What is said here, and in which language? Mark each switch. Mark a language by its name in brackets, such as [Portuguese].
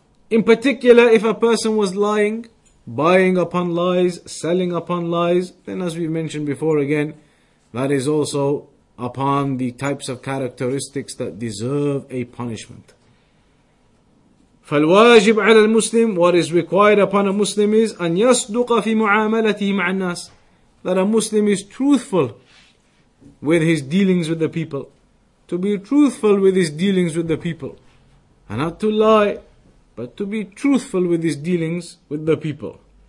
[English] In particular, if a person was lying, buying upon lies, selling upon lies, then as we mentioned before again, that is also upon the types of characteristics that deserve a punishment. [Arabic] فالواجب على المسلم, [English] what is required upon a Muslim is [Arabic] أن يصدق في معاملته مع الناس. [English] That a Muslim is truthful with his dealings with the people. To be truthful with his dealings with the people. And not to lie, but but to be truthful with his dealings with the people.